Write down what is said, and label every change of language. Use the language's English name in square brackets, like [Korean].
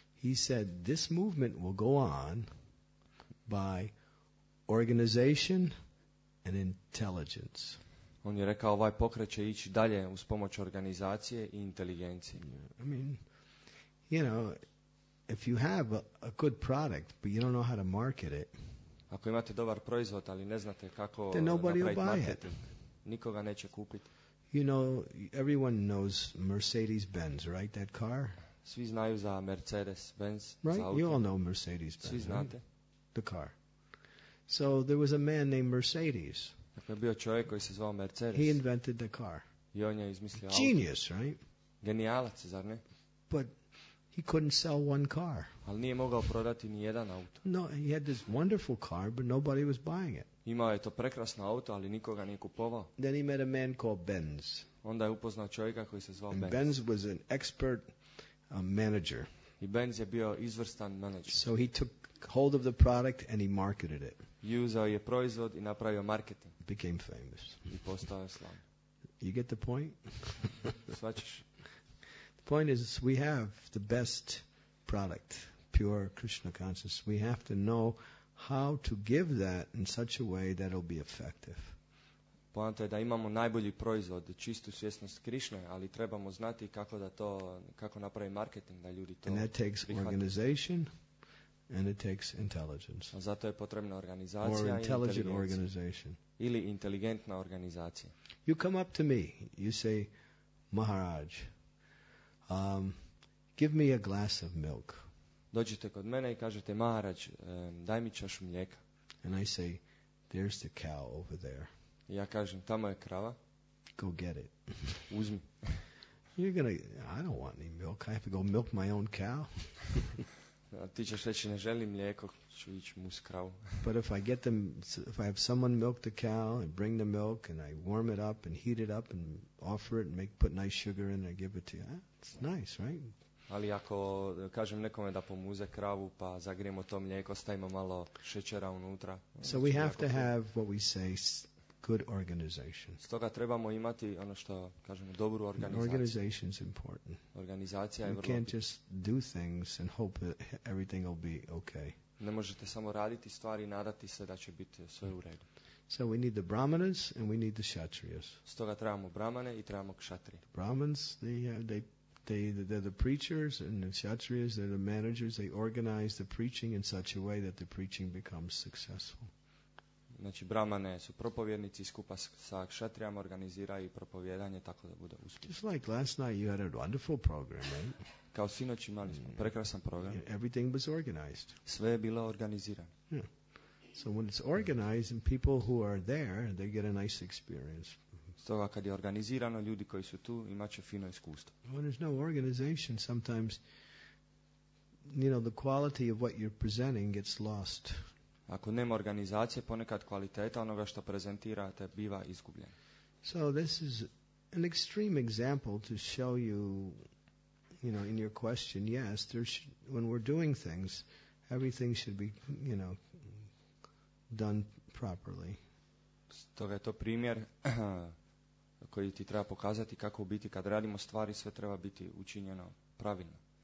[English] He said, this movement will go on by organization and intelligence. [Croatian] On je rekao, ovaj pokret će ići dalje uz pomoć organizacije i inteligencije. [English] I mean, you know, if you have a good product, but you don't know how to market it, [Croatian] ako imate dobar proizvod, ali ne znate kako napraviti marketing, nikoga neće kupiti. [English] You know, everyone knows Mercedes-Benz, right, that car? [Croatian] Svi znaju za Mercedes-Benz. [English] Right, [Croatian] za auto. [English] You all know Mercedes-Benz. [Croatian] Svi znate. [English] Right? The car. So there was a man named Mercedes. [Croatian] Dakle, bio čovjek koji se zvao Mercedes. [English] He invented the car. [Croatian] I on je izmislio [English] genius, [Croatian] auto. [English] Right? [Croatian] Genijalac, zar ne? [English] But he couldn't sell one car. [Croatian] Ali nije mogao prodati ni jedan auto. [English] No, he had this wonderful car, but nobody was buying it. [Croatian] Imao je to prekrasno auto, ali nikoga nije kupovao. [English] Then he met a man called Benz. [Croatian] Onda je upoznao čovjeka koji se zvao [English] and [Croatian] Benz. [English] Benz was an expert manager. [Croatian] I Benz je bio izvrstan manager. [English] So he took hold of the product and he marketed it. [Croatian] Uzeo je proizvod i napravio marketing. [English] It became famous. [Croatian] I postao je slavan. [English] You get the point? [Croatian] Svačiš? [English] Point is, we have the best product, pure Krishna consciousness. We have to know how to give that in such a way that it'll be effective. [Croatian] Poanta je da imamo najbolji proizvod, čistu svjesnost Krišne, ali trebamo znati kako da to, kako napravi marketing da ljudi to prihvate. [English] And that takes organization, and it takes intelligence. [Croatian] A zato je potrebna organizacija [English] or intelligent organization. [Croatian] Ili inteligentna organizacija. [English] You come up to me, you say, Maharaj, give me a glass of milk. [Croatian] Dođite kod mene i kažete, Maharaj, daj mi čašu mlijeka. [English] And I say, there's the cow over there. [Croatian] Ja kažem, tamo je krava. [English] Go get it. [Croatian] Uzmi. [English] You're gonna, I don't want any milk. I have to go milk my own cow. [Croatian] Ti ćeš reći, ne želim mlijeko, ću ići mus kravu. [English] But if I get them, if I have someone milk the cow and bring the milk and I warm it up and heat it up and offer it and make, put nice sugar in and I give it to you. It's nice, right? [Croatian] Ali ako kažem nekome da pomuze kravu, pa zagrijemo to mlijeko, stavimo malo šećera unutra. [English] So we have to have what we say good organization. [Croatian] Stoga trebamo imati ono što kažemo dobru organizaciju. [English] Organization is important. [Croatian] Organizacija je vrlo. [English] You can't just do things and hope that everything will be okay. [Croatian] Ne možete samo raditi stvari i nadati se da će biti sve u redu. [English] So we need the brahmanas and we need the kshatriyas. [Croatian] Stoga trebamo brahmane i trebamo kshatri. [English] The brahmans, they're the preachers, and the kshatriyas, they're the managers. They organize the preaching in such a way that the preaching becomes successful. [Croatian] Znači, brahmane su propovjednici, skupa sa kshatrijama organiziraju propovjedanje tako da bude uspješno. [English] Just like last night, you had a wonderful program, right? [Croatian] Kao sinoć imali smo prekrasan program. [English] Everything was organized. [Croatian] Sve je bilo organizirano. [English] Yeah. So when it's organized and people who are there, they get a nice experience. [Croatian] Stoga kad je organizirano, ljudi koji su tu imat će fino iskustvo. [English] When there's no organization, sometimes, you know, the quality of what you're presenting gets lost. [Croatian] Ako nema organizacije, ponekad kvaliteta onoga što prezentirate biva izgubljena. [English] So this is an extreme example to show you, you know, in your question, yes, there's, when we're doing things, everything should be, you know, done properly. [Croatian] Stoga je to primjer koji ti treba pokazati kako u biti kad radimo stvari sve treba biti učinjeno pravilno.